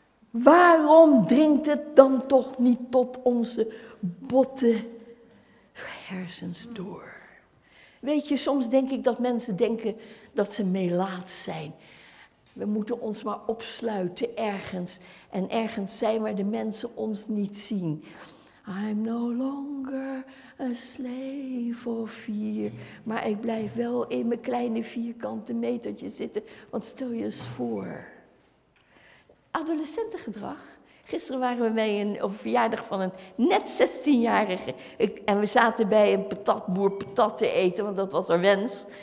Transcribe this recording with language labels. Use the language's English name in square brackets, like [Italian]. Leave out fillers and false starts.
[Dutch] Waarom dringt het dan toch niet tot onze botte hersens door? Weet je, soms denk ik dat mensen denken dat ze melaat zijn. We moeten ons maar opsluiten ergens. En ergens zijn waar de mensen ons niet zien. [English] I'm no longer a slave of fear. [Dutch] Maar ik blijf wel in mijn kleine vierkante metertje zitten. Want stel je eens voor... Adolescentengedrag. Gisteren waren we bij een verjaardag van een net 16-jarige. En we zaten bij een patatboer patat te eten, want dat was haar wens.